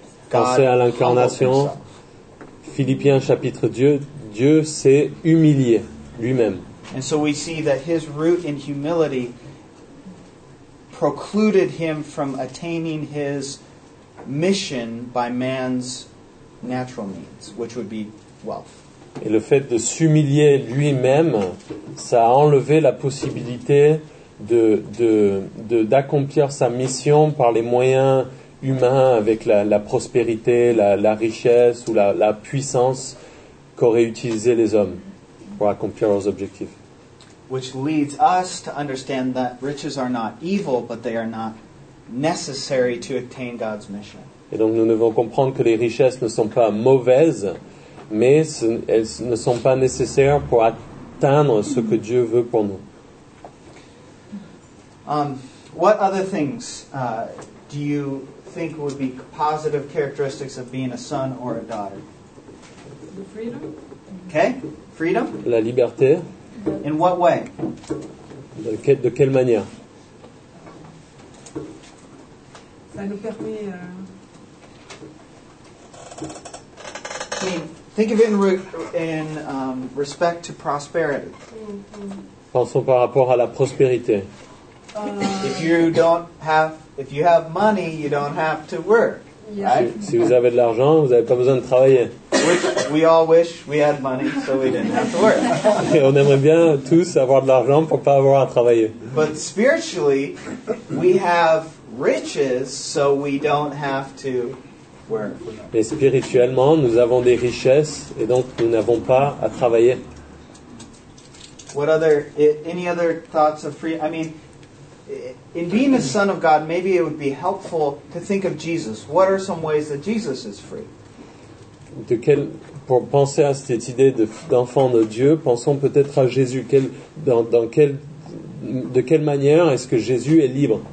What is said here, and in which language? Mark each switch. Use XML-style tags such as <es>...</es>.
<fr>Pensez à l'incarnation. Philippiens chapitre 2. Dieu s'est humilié lui-même.</fr> <en>And so we see that his root in humility precluded him from attaining his mission by man's natural means, which would be wealth.</en> <fr>Et le fait de s'humilier lui-même, ça a enlevé la possibilité d'accomplir sa mission par les moyens humains avec la prospérité, la richesse ou la puissance qu'auraient utilisé les hommes pour accomplir leurs objectifs.</fr> <en>Which leads us to understand that riches are not evil, but they are not necessary to attain God's mission.</en> <fr>Et donc nous devons comprendre que les richesses ne sont pas mauvaises, mais elles ne sont pas nécessaires pour atteindre ce que Dieu veut pour nous.</fr> <en>What other things do you think would be positive characteristics of being a son or a daughter? The freedom. Okay, freedom.</en> <fr>La liberté.</fr> <en>In what way?</en> <fr>De quelle manière? Ça nous permet.</fr> <en>Think of it in respect to prosperity.</en> <fr>Mm-hmm. Pensons par rapport à la prospérité.</fr> <en>If you have money, you don't have to work. Yeah. Right?</en> <fr>Si vous avez de l'argent, vous n'avez pas besoin de travailler.</fr> <en>We all wish we had money so we didn't have to work.</en> <fr>Et on aimerait bien tous avoir de l'argent pour pas avoir à travailler.</fr> <en>But spiritually, we have riches so we don't have to work.</en> <fr>Mais spirituellement, nous avons des richesses et donc nous n'avons pas à travailler.</fr> <en>What other any other thoughts of free? I mean, in being a son of God, maybe it would be helpful to think of Jesus. What are some ways that Jesus is free?</en> <fr>Pour penser à cette idée d'enfant de Dieu, pensons peut-être à Jésus. De quelle manière est-ce que Jésus est libre?</fr>